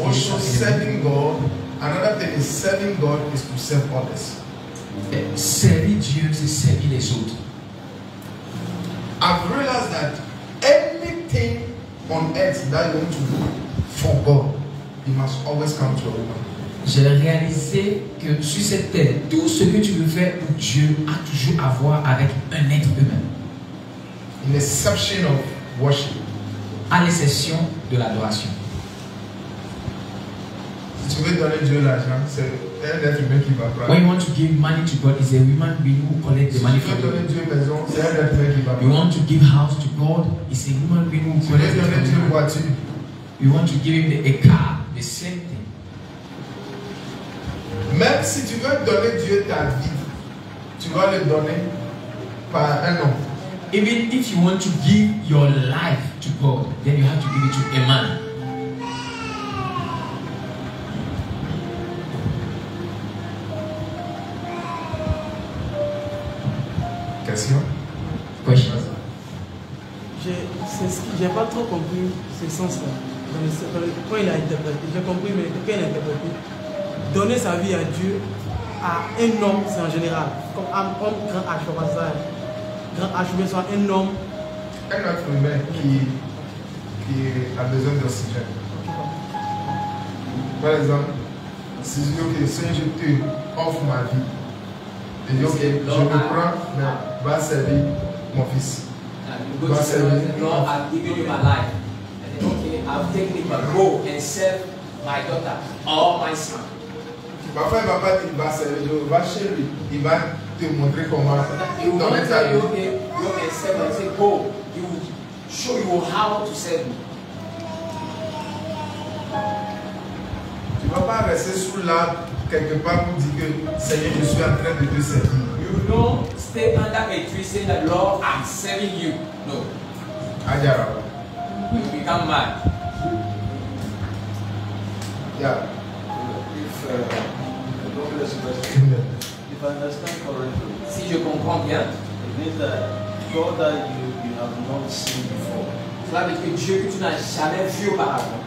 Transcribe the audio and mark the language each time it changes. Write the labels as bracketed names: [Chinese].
[English] Also, serving God, another thing is serving God is to serve others. [French] Serving Dieu, c'est servir les autres. [English] I've realized that anything on earth that you want to do for God, it must always come to a woman. [French] J'ai réalisé que sur cette terre, tout ce que tu veux faire pour Dieu a toujours à voir avec un être humain. [English] In exception of worship. [French] À l'exception de l'adoration. Si tu veux donner Dieu l'argent, c'est un être humain qui va prendre. [English] When you want to give money to God, it's a human being who collects the money for you. [French] Si tu veux donner Dieu maison, c'est un être humain qui va prendre. [English] You want to give house to God, it's a human being who collects the money. [French] Si tu veux donner Dieu voiture, [English] you want to give him a car, the same thing. [French] Même si tu veux donner Dieu ta vie, tu vas le donner par un homme. [English] Even if you want to give your life to God, then you have to give it to a man. Question? [French] Question. J'ai pas trop compris ce sens-là. quand il a interprété, j'ai compris, mais quand il a interprété, donner sa vie à Dieu, à un homme, c'est en général, comme un grand H, comme ça, grand H, mais soit un homme. Un être humain qui a besoin d'oxygène. Par exemple, si je dis que Seigneur, je te offre ma vie, et donc je me prends, mais va servir mon fils. Va servir. [English] Lord, I've given you my life. And then, okay, I've taken it, but go and serve my daughter or my son. [French] Parfois, il va pas dire, va servir, je vais chez lui, il va te montrer comment. Il va te dire, [English] ok, go and serve, I say, go, he will show you how to serve me. [French] Tu ne vas pas rester sous l'arbre quelque part pour dire que Seigneur, je suis en train de te servir. [English] You don't stay under a tree saying that Lord, I'm serving you. No. Ajara. You become mad. Yeah. If I don't get a question, if I understand correctly, [French] si je comprends bien, [English] it means that God that you have not seen before. [French] Cela veut dire que Dieu, tu n'as jamais vu auparavant.